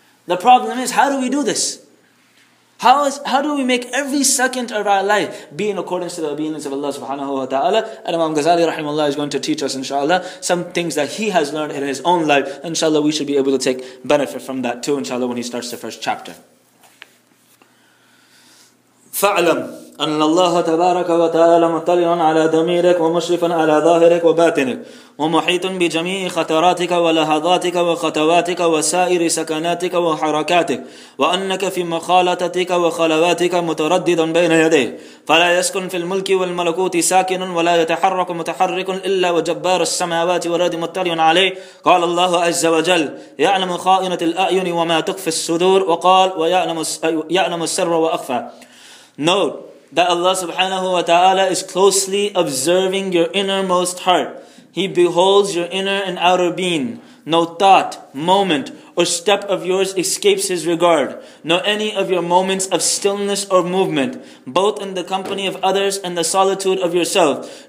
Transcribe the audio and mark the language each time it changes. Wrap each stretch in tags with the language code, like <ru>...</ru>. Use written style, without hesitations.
<en>The problem is, how do we do this? How do we make every second of our life be in accordance to the obedience of Allah subhanahu wa ta'ala? And Imam Ghazali rahimahullah is going to teach us inshallah some things that he has learned in his own life. Inshallah we should be able to take benefit from that too inshallah when he starts the first chapter.</en> <ar>فَعْلَمْ أن الله تبارك وتعالى مطلع على ضميرك ومشرف على ظاهرك وباطنك ومحيط بجميع خطراتك ولحظاتك وخطواتك وسائر سكناتك وحركاتك وأنك في مخالطتك وخلواتك متردد بين يديه فلا يسكن في الملك والملكوت ساكن ولا يتحرك متحرك إلا وجبار السماوات والأرض مطلع عليه قال الله عز وجل يعلم خائنة الأعين وما تخفي الصدور وقال ويعلم السر وأخفى.</ar> <en>Note that Allah subhanahu wa ta'ala is closely observing your innermost heart. He beholds your inner and outer being. No thought, moment, or step of yours escapes His regard, nor any of your moments of stillness or movement, both in the company of others and the solitude of yourself.</en>